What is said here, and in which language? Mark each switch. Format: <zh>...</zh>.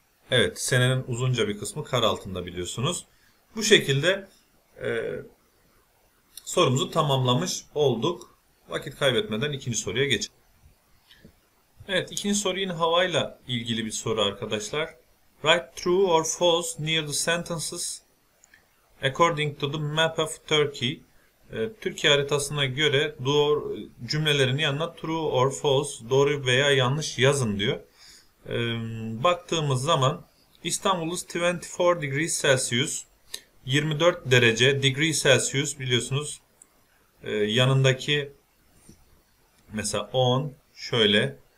<tr>Evet, senenin uzunca bir kısmı kar altında biliyorsunuz. Bu şekilde sorumuzu tamamlamış olduk. Vakit kaybetmeden ikinci soruya geçelim. Evet, ikinci soru yine havayla ilgili bir soru arkadaşlar.</tr> <en>Write true or false near the sentences according to the map of Turkey.</en> <tr>Türkiye haritasına göre doğru cümlelerini yanına</tr> <en>true or false,</en> <tr>doğru veya yanlış yazın diyor. Baktığımız zaman</tr> <en>İstanbul is 24 degrees Celsius.</en> <tr>24 derece degree Celsius biliyorsunuz. Yanındaki mesela 10 şöyle.</tr>